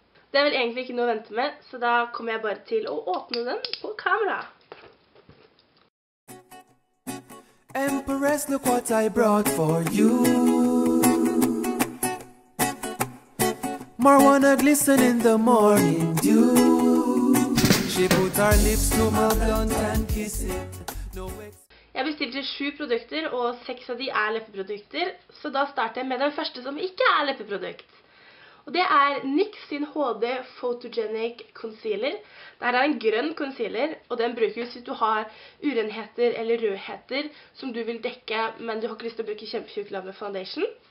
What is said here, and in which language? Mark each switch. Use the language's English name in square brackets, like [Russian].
[Norwegian] Det er vel egentlig ikke noe å vente med, så da kommer jeg bare til å åpne den på kamera. [English] Empress, look what I brought for you. Marijuana glisten in the morning dew. She put her lips to my blunt and kiss it. [Norwegian] Jeg bestilte 7 produkter, og 6 av de er leppeprodukter. Så da starter jeg med den første som ikke er leppeprodukt. Og det er NYX sin HD Photogenic Concealer. Dette er en grønn concealer, og den brukes hvis du har urenheter eller rødheter som du vil dekke, men du har ikke lyst til å bruke kjempetjukk lag med foundation.